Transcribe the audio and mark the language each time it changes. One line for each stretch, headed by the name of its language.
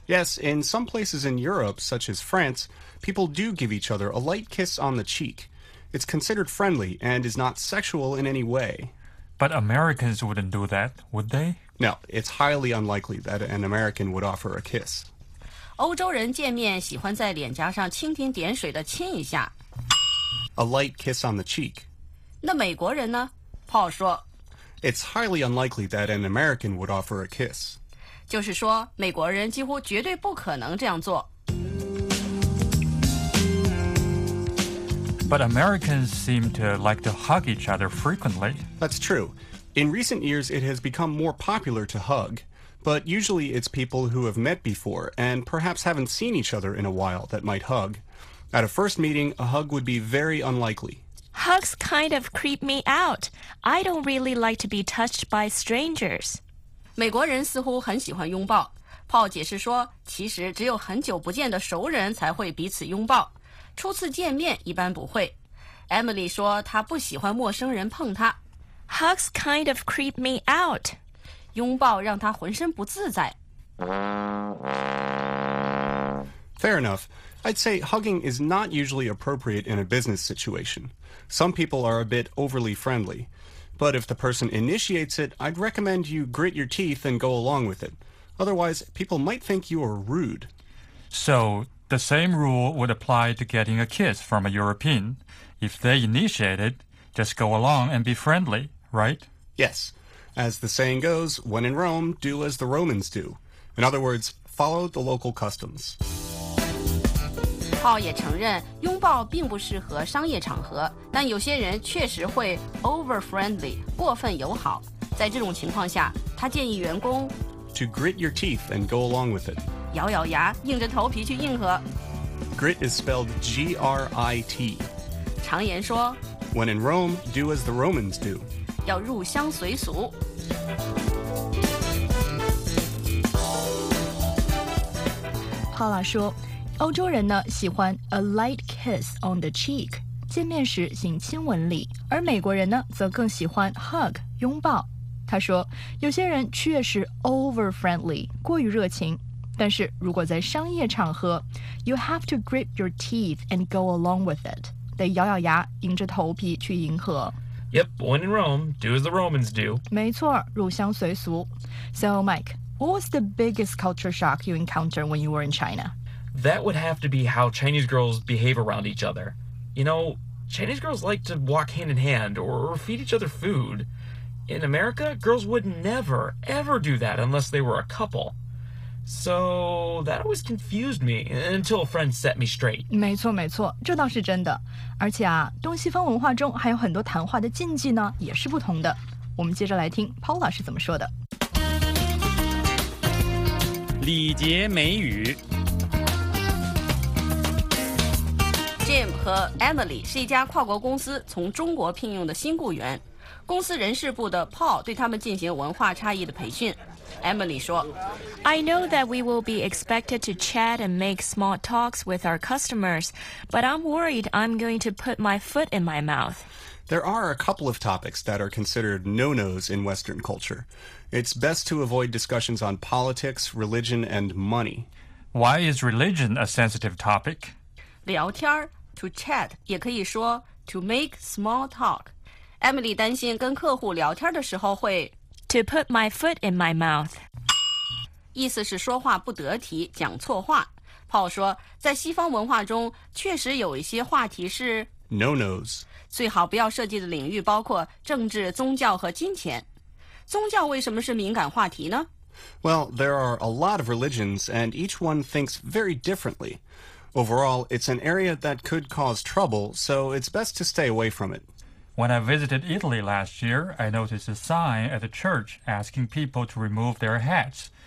English: Yes, in some places in Europe, such as France, people do give each other a light kiss on the cheek. It's considered friendly and is not sexual in any way. But Americans wouldn't do that, would they? No, it's highly unlikely that an American would offer a kiss.
Chinese: 欧洲人见面喜欢在脸颊上蜻蜓点水地亲一下。
English: A light kiss on the cheek.
Chinese: 那美国人呢？Paul 说。
English: It's highly unlikely that an American would offer a kiss.
Chinese: 就是说，美国人几乎绝对不可能这样做。
English: But Americans seem to like to hug each other frequently. That's true. In recent years, it has become more popular to hug. But usually it's people who have met before and perhaps haven't seen each other in a while that might hug. At a first meeting, a hug would be very unlikely. Hugs kind of creep me out. I don't really like to be touched by strangers.
Chinese: 美国人似乎很喜欢拥抱。Paul 解释说，其实只有很久不见的熟人才会彼此拥抱。初次见面一般不会。Emily 说她不喜欢陌生人碰她。
English: Hugs kind of creep me out.
Chinese: 拥抱让她浑身不自在。
English: Fair enough. I'd say hugging is not usually appropriate in a business situation. Some people are a bit overly friendly. But if the person initiates it, I'd recommend you grit your teeth and go along with it. Otherwise, people might think you are rude. So... The same rule would apply to getting a kiss from a European. If they initiate it, just go along and be friendly, right? Yes. As the saying goes, when in Rome, do as the Romans do. In other words, follow the local customs.
Chinese: Paul 也承认拥抱并不适合商业场合，但有些人确实会 over-friendly, 过分友好。在这种情况下，他建议员工
English: To grit your teeth and go along with it.
Chinese: 咬咬牙，硬着头皮去硬核。
English: Grit is spelled G-R-I-T.
Chinese: 常言说
English: When in Rome, do as the Romans do.
Chinese: 要入乡随俗。 Paula 说，欧洲人呢喜欢
English: a light kiss on the cheek，
Chinese: 见面时行亲吻礼，而美国人呢则更喜欢 hug， 拥抱。他说，有些人确实 over friendly， 过于热情。但是如果在商业场合 ，
English: you have to grit your teeth and go along with it，
Chinese: 得咬咬牙，硬着头皮去迎合。
English: Yep, when in Rome, do as the Romans do.
Chinese: 没错，入乡随俗。
English: So, Mike, what was the biggest culture shock you encountered when you were in China? That would have to be how Chinese girls behave around each other. You know, Chinese girls like to walk hand in hand or feed each other food. In America, girls would never, ever do that unless they were a couple. So that always confused me until a friend set me straight.
Chinese: 没错没错，这倒是真的。而且啊，东西方文化中还有很多谈话的禁忌呢，也是不同的。我们接着来听 Paula 是怎么说的。礼节美语。 Jim 和 Emily 是一家跨国公司从中国聘用的新雇员。公司人事部的 Paul 对他们进行文化差异的培训。 Emily 说
English: I know that we will be expected to chat and make small talks with our customers, but I'm worried I'm going to put my foot in my mouth. There are a couple of topics that are considered no-nos in Western culture. It's best to avoid discussions on politics, religion, and money. Why is religion a sensitive topic?
Chinese: 聊天
English: to chat,
Chinese: 也可以说
English: to make small talk.
Chinese: Emily 担心跟客户聊天的时候会
English: To put my foot in my mouth.
Chinese: 意思是说话不得体，讲错话。Paul 说，在西方文化中，确实有一些话题是
English: No-nos.
Chinese: 最好不要涉及的领域包括政治、宗教和金钱。宗教为什么是敏感话题呢？
English: Well, there are a lot of religions, and each one thinks very differently. Overall, it's an area that could cause trouble, so it's best to stay away from it. When I visited Italy last year, I noticed a sign at the church asking people to remove their hats.